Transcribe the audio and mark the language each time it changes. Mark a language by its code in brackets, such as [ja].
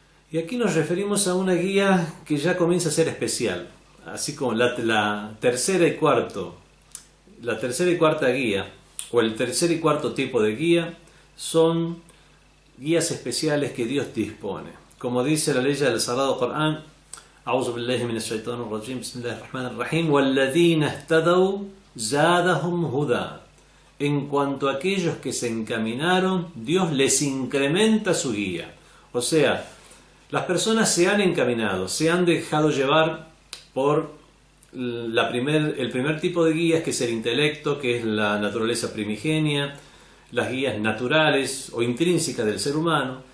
[es] Y aquí nos referimos a una guía que ya comienza a ser especial. Así como la tercera y cuarta guía, o el tercer y cuarto tipo de guía, son guías especiales que Dios dispone. Como dice la ley del Sagrado Corán, [ar] أعوذ بالله من الشيطان الرجيم بسم الله الرحمن الرحيم والذين اهتدوا زادهم هدى. [es] En cuanto a aquellos que se encaminaron, Dios les incrementa su guía. O sea, las personas se han encaminado, se han dejado llevar por el primer tipo de guías, que es el intelecto, que es la naturaleza primigenia, las guías naturales o intrínsecas del ser humano.